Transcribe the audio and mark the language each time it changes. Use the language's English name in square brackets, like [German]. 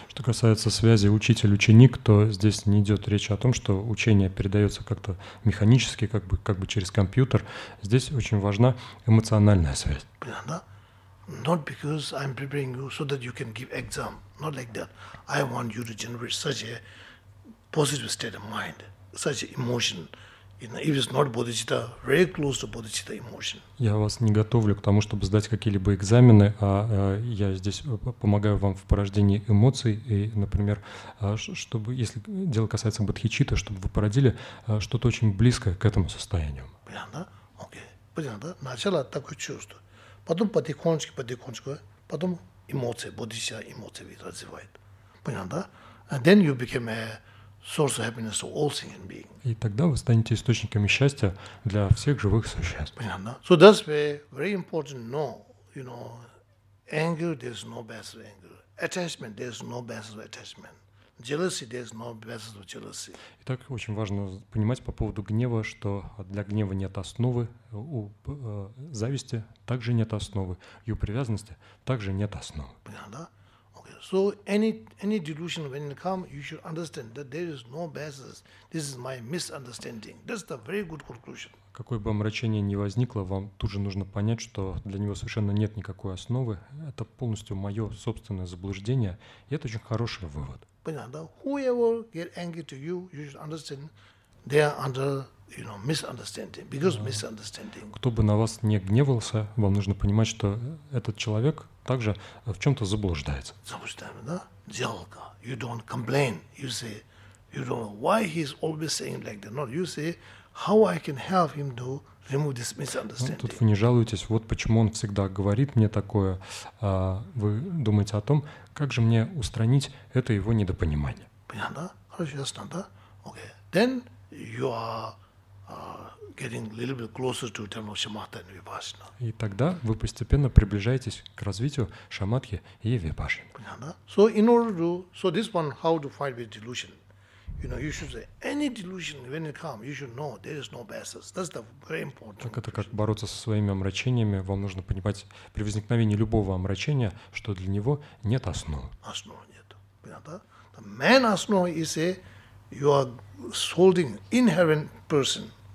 [Russian] Что касается связи учитель-ученик, то здесь не идет речь о том, что учение передается как-то механически, как бы через компьютер. Здесь очень важна эмоциональная связь. Понятно, да? [English] Not because I'm preparing you so that you can give exam. Not like that. I want you to generate such a positive state of mind, such emotion. If it's not bodhicitta, very close to bodhicitta emotion. [Russian] Я вас не готовлю к тому, чтобы сдать какие-либо экзамены, а я здесь помогаю вам в порождении эмоций, и, например, чтобы, если дело касается бодхичитты, чтобы вы породили что-то очень близкое к этому состоянию. Понятно, да? Окей. Понятно, да? Начало такое чувство. Потом потихонечку, потом эмоции, бодхичитта эмоции развивает. Понятно, да? [English] And then you became a source of happiness to all sentient beings. [Russian] И тогда вы станете источниками счастья для всех живых существ. Понятно? [English] So that's very important. No, you know, anger, there's no better anger. Attachment, there's no better attachment. Jealousy, there's no better jealousy. [Russian] Итак, очень важно понимать по поводу гнева, что для гнева нет основы. У зависти также нет основы. И у привязанности также нет основы. Понятно? [English] So any delusion when it comes, you should understand that there is no basis. This is my misunderstanding. That's the very good conclusion. [Russian] Какое бы омрачение ни возникло, вам тут же нужно понять, что для него совершенно нет никакой основы. Это полностью мое собственное заблуждение. И это очень хороший вывод. Понятно. [English] Whoever get angry to you, you should understand they are under, you know, misunderstanding. Because misunderstanding. [Russian] Кто бы на вас не гневался, вам нужно понимать, что этот человек также в чем-то заблуждается. Заблуждается, да? Дело. [English] You don't complain. You say, you don't know why he's always saying like that. No, you say, how I can help him to remove this misunderstanding. [Russian] Тут вы не жалуетесь, вот почему он всегда говорит мне такое. Вы думаете о том, как же мне устранить это его недопонимание. Понятно, да? Хорошо, ясно, да? Okay. Then [English] you are getting a little bit closer to eternal shamatha and vipassana. [Russian] И тогда вы постепенно приближаетесь к развитию шамадхи и випассаны. [English] So in order to, so this one, how to fight with delusion? You know, you should say any delusion when it comes, you should know there is no basis. That's the very important. [Russian] Так это как бороться со своими омрачениями? Вам нужно понимать при возникновении любого омрачения, что для него нет основ. Основ нет. Понятно? [English] The main основ is a you are holding inherent person.